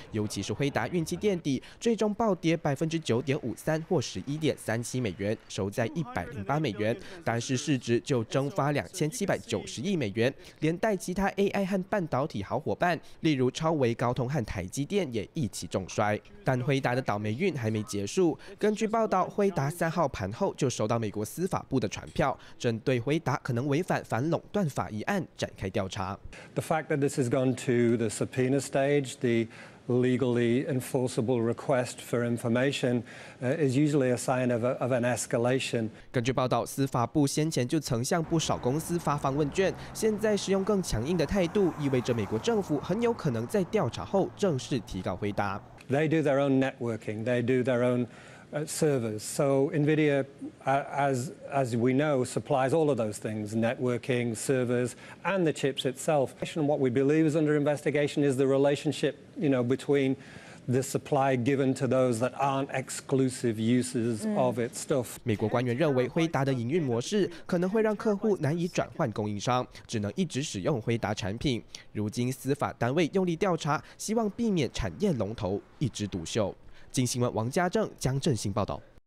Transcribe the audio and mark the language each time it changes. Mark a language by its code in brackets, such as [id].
[zh] 尤其是辉达运气垫底，最终暴跌9.53%，或$11.37，收在$108，但是市值就蒸发2790亿美元，连带其他 AI 和半导体好伙伴，例如超微、高通和台积电也一起重摔。但辉达的倒霉运还没结束。根据报道，辉达3号盘后就收到美国司法部的传票，针对辉达可能违反反垄断法一案展开调查。 [en] The fact that this has gone to the subpoena stage, the legally enforceable request for information, is usually a sign of an escalation. [zh] 根据报道，司法部先前就曾向不少公司发放问卷，现在使用更强硬的态度，意味着美国政府很有可能在调查后正式提告辉达。 [en] They do their own networking. They do their own. Servers. So NVIDIA, as we know, supplies all of those things, networking, servers, and the chips itself. And what we believe is under investigation is the relationship, you know, between the supply given to those that aren't exclusive users of its stuff. [zh] 美国官员认为辉达的营运模式可能会让客户难以转换供应商，只能一直使用辉达产品。如今司法单位用力调查，希望避免产业龙头一枝独秀。经新闻王家正、江振兴报道。